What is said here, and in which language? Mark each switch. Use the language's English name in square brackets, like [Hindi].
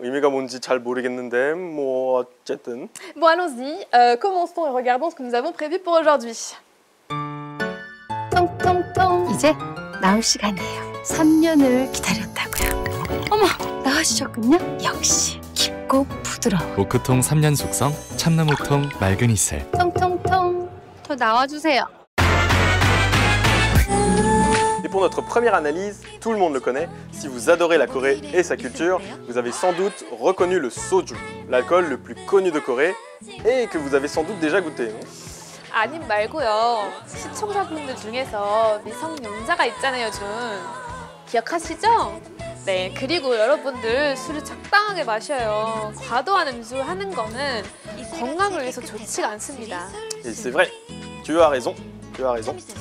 [Korean] 의미가 뭔지 잘 모르겠는데 뭐 어쨌든. [French] Bon, allons-y. Commençons et regardons ce que nous avons prévu pour aujourd'hui. [Korean] 똥똥똥. 이제 나올 시간이에요. 3년을 기다렸다고요. 어머, 나오셨군요. 역시 깊고 부드러워. 오크통 3년 숙성 참나무통 맑은 이슬. 똥똥똥. 더 나와주세요. [French] Et pour notre première analyse, tout le monde le connaît. Si vous adorez la Corée et sa culture, vous avez sans doute reconnu le soju, l'alcool le plus connu de Corée, et que vous avez sans doute déjà goûté. [Korean] 아니 말고요. 시청자분들 중에서 미성년자가 있잖아요, 준. 기억하시죠? 네. 그리고 여러분들 술을 적당하게 마셔요. 과도한 음주를 하는 거는 건강을 위해서 좋지 않습니다. [French] Et c'est vrai. Tu as raison. Tu as raison.